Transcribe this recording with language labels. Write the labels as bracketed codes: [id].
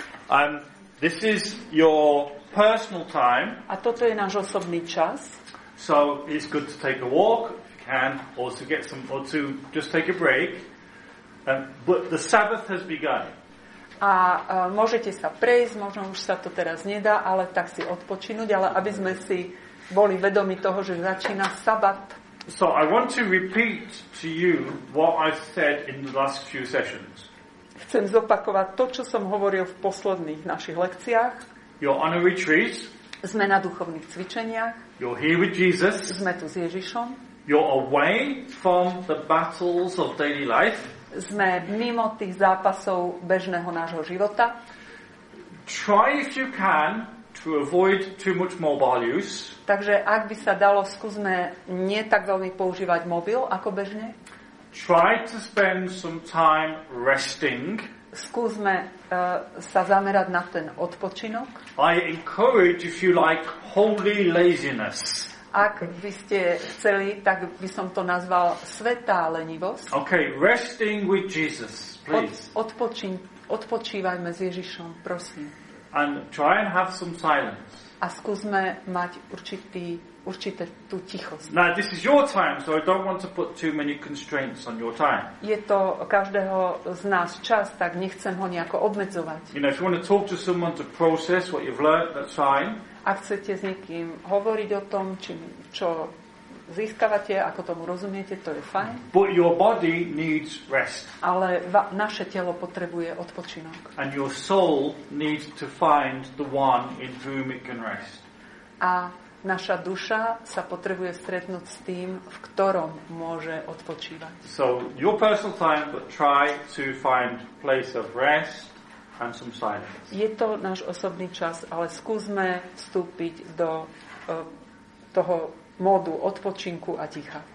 [en] And this is your personal time. [sk] A toto je náš osobný čas. [en] So it's good to take a walk if you can, or to get some, or to just take a break. But the Sabbath has begun. [sk] A môžete sa prejsť, možno už sa to teraz nedá, ale tak si odpočinúť, ale aby sme si boli vedomi toho, že začína sabat. [en] So I want to repeat to you what I said in the last few sessions. [sk] Chcem zopakovať to, čo som hovoril v posledných našich lekciách. [en] You're on a retreat. [sk] Sme na duchovných cvičeniach. [en] You're here with Jesus. [sk] Sme tu s Ježišom. [en] You're away from the battles of daily life. [sk] Sme mimo tých zápasov bežného nášho života. [en] Try if you can to avoid too much mobile use. [sk] Takže ak by sa dalo, skúsme nie tak veľmi používať mobil ako bežne. [en] Try to spend some time resting. [sk] Skúsme sa zamerať na ten odpočinok. [en] I encourage, if you like, holy laziness. [sk] Ak by ste chceli, tak by som to nazval svätá lenivosť. [en] Okay, resting with Jesus, please. [sk] Odpočívajme s Ježišom, prosím. [en] And try and have some silence. [sk] A skúsme mať určité tú tichosť. [en] Now, this is your time, so I don't want to put too many constraints on your time. [sk] Je to každého z nás čas, tak nechcem ho nejako obmedzovať. [en] You know, if you want to talk to someone to process what you've learned, that's fine. [sk] Ak chcete s niekým hovoriť o tom, čo získavate, ako tomu rozumiete, to je fajn. [en] But your body needs rest. [sk] Ale naše telo potrebuje odpočinok. [en] And your soul needs to find the one in whom it can rest. [sk] A naša duša sa potrebuje stretnúť s tým, v ktorom môže odpočívať. [en] So your personal time, but try to find place of rest and some silence. [sk] Je to náš osobný čas, ale skúsme vstúpiť do toho módu odpočinku a ticha.